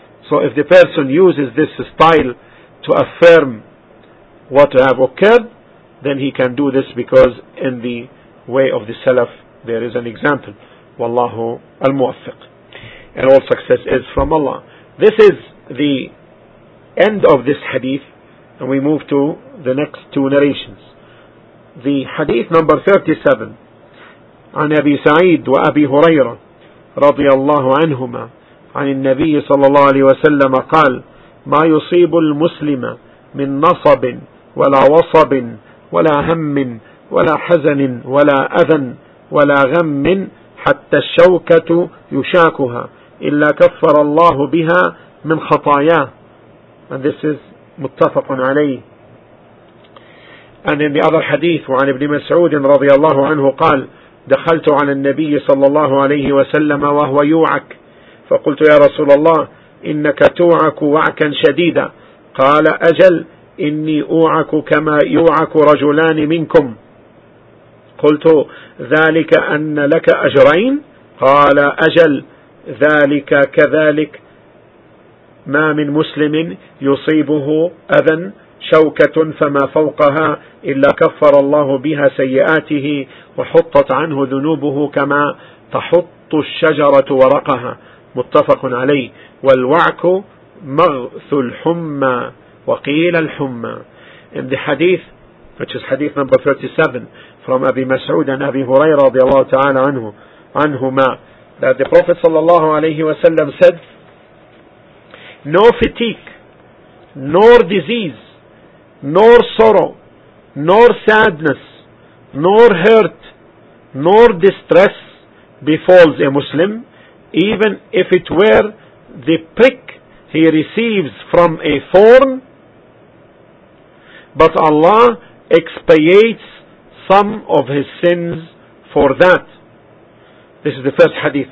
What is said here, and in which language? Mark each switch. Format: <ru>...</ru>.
<en>So if the person uses this style to affirm what have occurred, then he can do this, because in the way of the Salaf there is an example.</en> <ar>Wallahu al-muwaffiq.</ar> <en>And all success is from Allah. This is the end of this hadith, and we move to the next two narrations. The hadith number 37,</en> <ar>عن أبي سعيد وأبي هريرة رضي الله عنهما عن النبي صلى الله عليه وسلم قال ما يصيب المسلم من نصب ولا وصب ولا هم ولا حزن ولا أذى ولا غم حتى الشوكة يشاكها إلا كفر الله بها من خطاياه.</ar> <en>And this is</en> <ar>متفق عليه.</ar> <en>And in the other hadith,</en> <ar>وعن ابن مسعود رضي الله عنه قال دخلت على النبي صلى الله عليه وسلم وهو يوعك فقلت يا رسول الله إنك توعك وعكا شديدا قال أجل إني أوعك كما يوعك رجلان منكم قلت ذلك أن لك أجرين قال أجل ذلك كذلك ما من مسلم يصيبه أذى شوكة فما فوقها إلا كفر الله بها سيئاته وحطت عنه ذنوبه كما تحط الشجرة ورقها. متفق عليه. والوعك مغث الحمى وقيل الحمى.</ar> <en>In the hadith, which is hadith number 37, from Abi Mas'ud and Abi Hurairah رضي الله تعالى عنه, عنهما, that the Prophet صلى الله عليه وسلم said, no fatigue, nor disease, nor sorrow, nor sadness, nor hurt, nor distress befalls a Muslim, even if it were the prick he receives from a thorn, but Allah expiates some of his sins for that. This is the first hadith.</en>